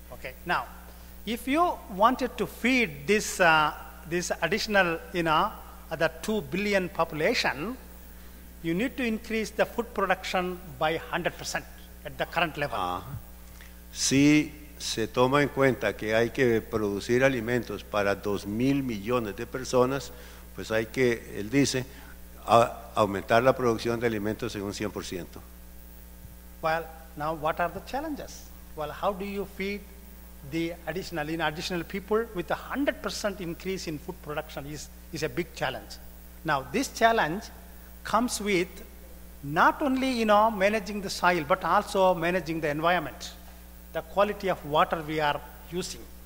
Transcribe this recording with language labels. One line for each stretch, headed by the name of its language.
English: Okay, now, if you wanted to feed this this additional, you know, the 2 billion population, you need to increase the food production by 100% at the current level.
Spanish: Si se toma en cuenta que hay que producir alimentos para 2,000 millones de personas, pues hay que, él dice, aumentar la producción de alimentos en un 100%.
English: Well, now, what are the challenges? Well, how do you feed the additional people with 100% increase in food production is a big challenge. Now, this challenge comes with not only, you know, managing the soil, but also managing the environment, the quality of water we are using.